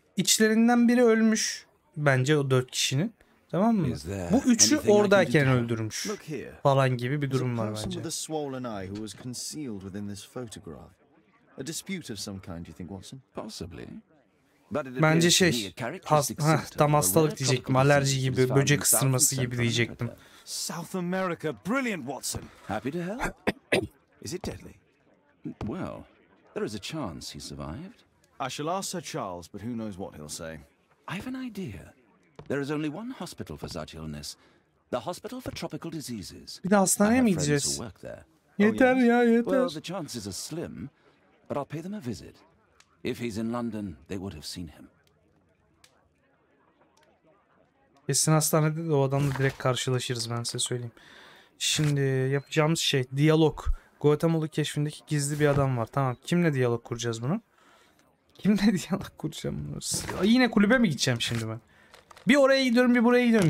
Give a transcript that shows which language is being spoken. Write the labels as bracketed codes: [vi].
[tr] İçlerinden biri ölmüş bence, o dört kişinin. Tamam mı? Bu üçü oradayken öldürmüş falan gibi bir durum var bence. [en] The swollen eye who was concealed within this photograph. A dispute of some kind, you think, Watson? Possibly. [tr] Bence şey, tam hastalık diyecektim, alerji gibi, böcek ısırması gibi diyecektim. [en] South America, brilliant Watson. Happy to help. Is it deadly? Well, there is a chance he survived. I shall ask Sir Charles, but who knows what he'll say. I have an idea. There is only one hospital for such illness. The Hospital for Tropical Diseases. [tr] Bir de hastaneye mi gideceğiz? Yeter ya, yeter. [en] Well, the chances are slim, but I'll pay them a visit. If he's in London, they would have seen him. [tr] Kesin hastanede de o adamla direkt karşılaşırız, ben size söyleyeyim. Şimdi yapacağımız şey diyalog. Guatemala keşfindeki gizli bir adam var. Tamam, kimle diyalog kuracağız bunu? Kimle diyalog kuracağım bunu? Yine kulübe mi gideceğim şimdi ben? Bir oraya gidiyorum, bir buraya gidiyorum.